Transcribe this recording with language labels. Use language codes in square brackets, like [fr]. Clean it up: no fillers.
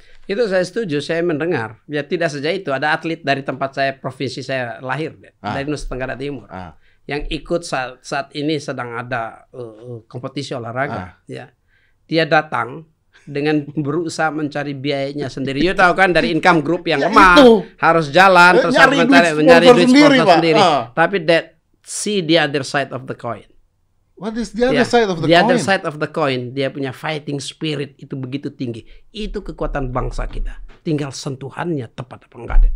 [id] Itu saya setuju, saya mendengar. Ya tidak saja itu, ada atlet dari tempat saya, provinsi saya lahir, dari Nusa Tenggara Timur, yang ikut saat ini sedang ada kompetisi olahraga. Ya. Dia datang dengan berusaha mencari biayanya sendiri. You tahu kan, dari income group yang lemah, harus jalan, terus nyari duit sendiri. Tapi [en] that, see the other side of the coin. What is the other side of the coin? The other side of the coin, [id] dia punya [en] fighting spirit [id] itu begitu tinggi. Itu kekuatan bangsa kita. Tinggal sentuhannya tepat apa enggak, Dad?